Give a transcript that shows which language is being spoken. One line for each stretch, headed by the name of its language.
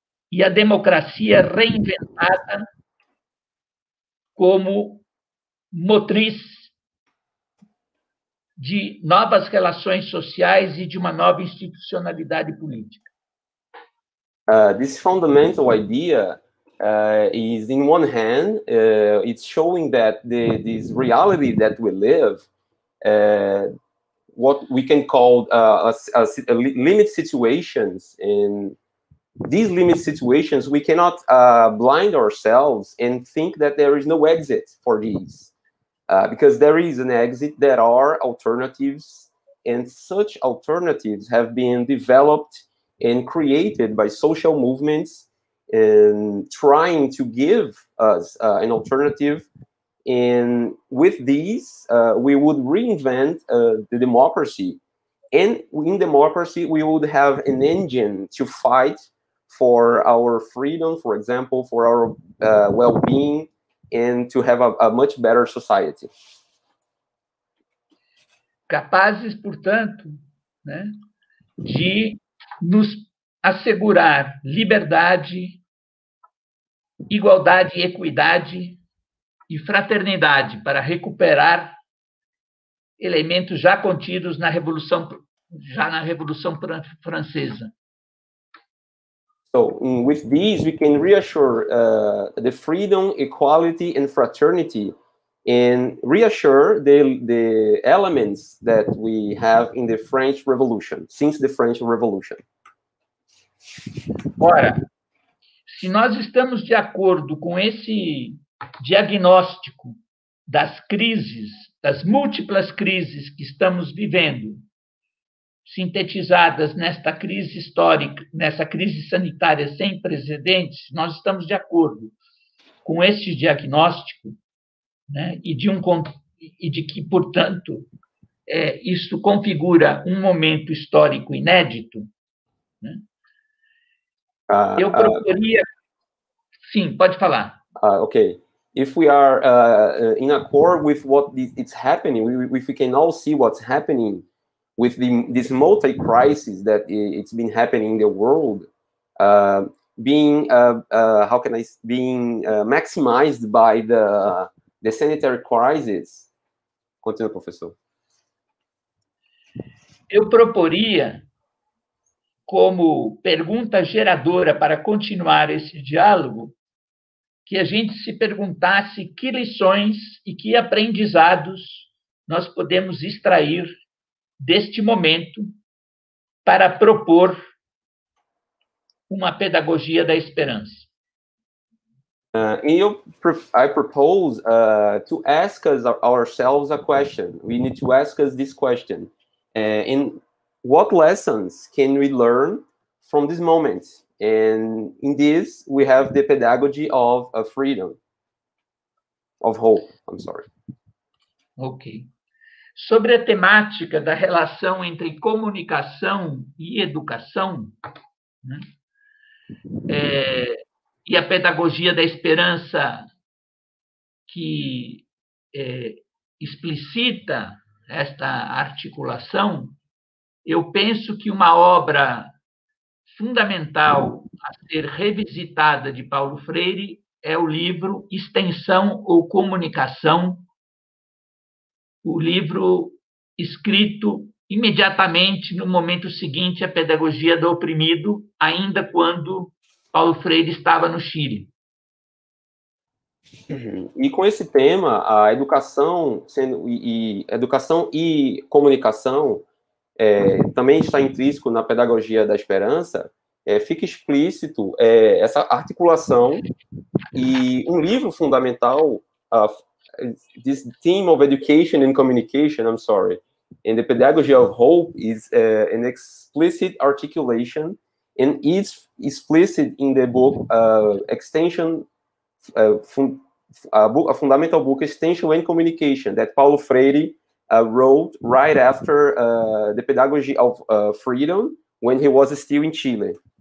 Portuguese: E a democracia reinventada como motriz de novas relações sociais e de uma nova institucionalidade política.
English: This fundamental idea is, in one hand, it's showing that this reality that we live, what we can call a limit situations in these limit situations, we cannot blind ourselves and think that there is no exit for these. Because there is an exit, there are alternatives, and such alternatives have been developed and created by social movements and trying to give us an alternative. And with these, we would reinvent the democracy. And in democracy, we would have an engine to fight for our freedom, for example, for our well-being, and to have a much better society.
Portuguese: Capazes, portanto, né, de nos assegurar liberdade, igualdade, equidade e fraternidade para recuperar elementos já contidos na Revolução, já na Revolução Francesa.
English: So, with these, we can reassure the freedom, equality, and fraternity, and reassure the elements that we have in the French Revolution, since the French Revolution.
Portuguese: Ora, se nós estamos de acordo com esse diagnóstico das crises, das múltiplas crises que estamos vivendo, sintetizadas nesta crise histórica, nessa crise sanitária sem precedentes, nós estamos de acordo com este diagnóstico, né, e de que, portanto, isso configura um momento histórico inédito. Né? Eu proporia... Sim, pode falar.
English: Ok. If we are in accord with what it's happening, if we can all see what's happening with this multi-crisis that it's been happening in the world, maximized by the sanitary crisis.
Portuguese: Continue, professor. Eu proporia, como pergunta geradora para continuar esse diálogo, que a gente se perguntasse que lições e que aprendizados nós podemos extrair deste momento para propor uma pedagogia da esperança.
English: I propose to ask us ourselves a question. We need to ask us this question. In what lessons can we learn from this moment? And in this, we have the pedagogy of a freedom, of hope. I'm sorry. Okay.
Portuguese: Sobre a temática da relação entre comunicação e educação, né, e a pedagogia da esperança que explicita esta articulação, eu penso que uma obra fundamental a ser revisitada de Paulo Freire é o livro Extensão ou Comunicação, o livro escrito imediatamente no momento seguinte à Pedagogia do Oprimido, ainda quando Paulo Freire estava no Chile. E com esse tema, a educação sendo educação e comunicação também está intrínseco na Pedagogia da Esperança. Fica explícito essa articulação e um livro fundamental.
English: This theme of education and communication, I'm sorry, and the pedagogy of hope is an explicit articulation, and it's explicit in the book Extension, a fundamental book, Extension and Communication, that Paulo Freire wrote right after the pedagogy of freedom when he was still in Chile.